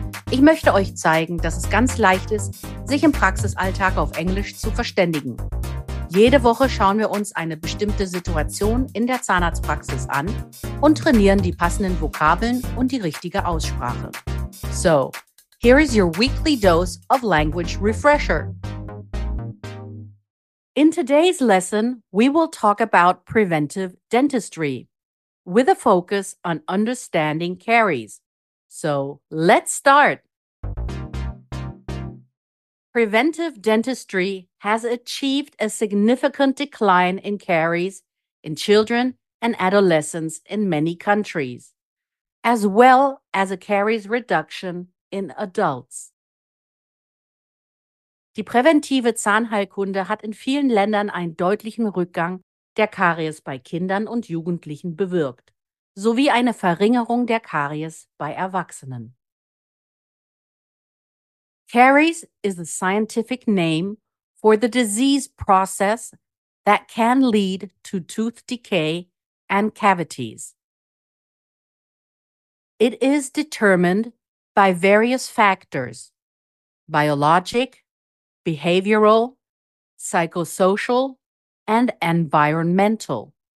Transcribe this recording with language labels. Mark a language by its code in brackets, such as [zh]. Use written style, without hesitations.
[de] Ich möchte euch zeigen, dass es ganz leicht ist, sich im Praxisalltag auf Englisch zu verständigen. Jede Woche schauen wir uns eine bestimmte Situation in der Zahnarztpraxis an und trainieren die passenden Vokabeln und die richtige Aussprache. [en] So, here is your weekly dose of language refresher. In today's lesson, we will talk about preventive dentistry with a focus on understanding caries. So, let's start! Preventive dentistry has achieved a significant decline in caries in children and adolescents in many countries, as well as a caries reduction in adults. [de] Die präventive Zahnheilkunde hat in vielen Ländern einen deutlichen Rückgang der Karies bei Kindern und Jugendlichen bewirkt, sowie eine Verringerung der Karies bei Erwachsenen. [en] Caries is the scientific name for the disease process that can lead to tooth decay and cavities. It is determined by various factors: biologic, behavioral, psychosocial, and environmental.